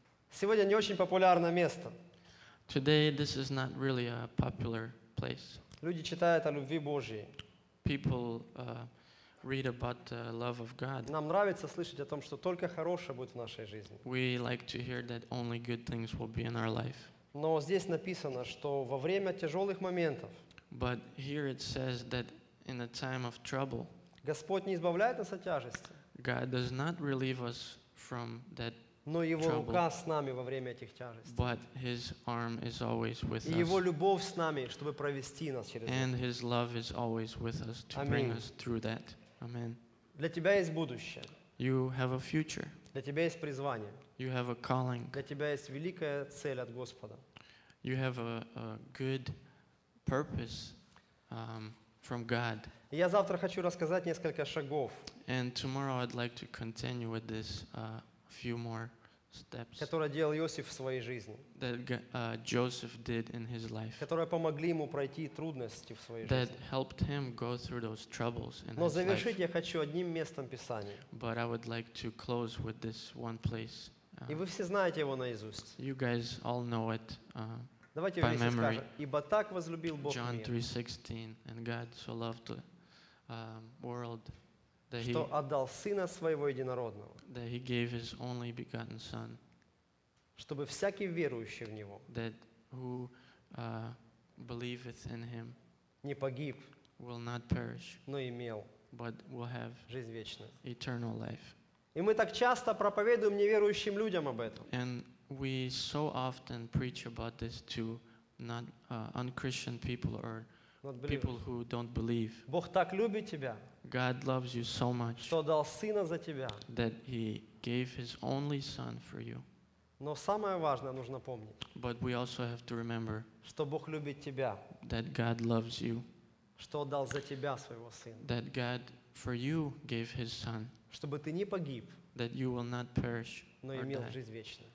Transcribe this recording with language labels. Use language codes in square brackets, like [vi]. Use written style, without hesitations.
[ru] Сегодня не очень популярное место. [en] Today this is not really a popular place. [ru] Люди читают о любви Божьей. [en] People read about the love of God. [ru] Нам нравится слышать о том, что только хорошее будет в нашей жизни. [en] We like to hear that only good things will be in our life. [ru] Но здесь написано, что во время тяжелых моментов. [en] But here it says that in a time of trouble. [ru] Господь не избавляет нас от тяжести. [en] God does not relieve us from that [ru] Но его рука с нами во время этих тяжестей. [en] But his arm is always with us. [ru] Его любовь с нами, чтобы провести нас через это. [en] And his love is always with us to bring us through that. Amen. [ru] Для тебя есть будущее. [en] You have a future. [ru] Для тебя есть призвание. [en] You have a calling. [ru] Для тебя есть великая цель от Господа. [en] You have a good purpose from God. [ru] Я завтра хочу рассказать несколько шагов. [en] And tomorrow I'd like to continue with this few more steps. [ru] Которые делал Иосиф в своей жизни. [en] That Joseph did in his life. [ru] Которые помогли ему пройти трудности в своей жизни. [en] That helped him go through those troubles in his life. [ru] Но завершить я хочу одним местом Писания. [en] But I would like to close with this one place. [ru] И вы все знаете его наизусть. [en] You guys all know it. [ru] Давайте вместе скажем. Ибо так возлюбил Бог мир. [en] John 3:16, and God so loved the world that [ru] что отдал сына своего единородного. [en] That he gave his only begotten son. [ru] Чтобы всякий верующий в него. [en] That who believeth in him. [ru] Не погиб. [en] Will not perish. [ru] Но имел. [en] But will have. [ru] Жизнь вечную. [en] Eternal life. [ru] И мы так часто проповедуем неверующим людям об этом. [en] And we so often preach about this to not un-Christian people or people who don't believe. [ru] Бог так любит тебя. [en] God loves you so much. [ru] Что дал сына за тебя. [en] That he gave his only son for you. [ru] Но самое важное нужно помнить. [en] But we also have to remember. [ru] Что Бог любит тебя. [en] That God loves you. [ru] Что дал за тебя своего сына. [en] That God for you gave his son. [ru] Чтобы ты не погиб, [en] that you will not perish, [ru] но имел жизнь вечную.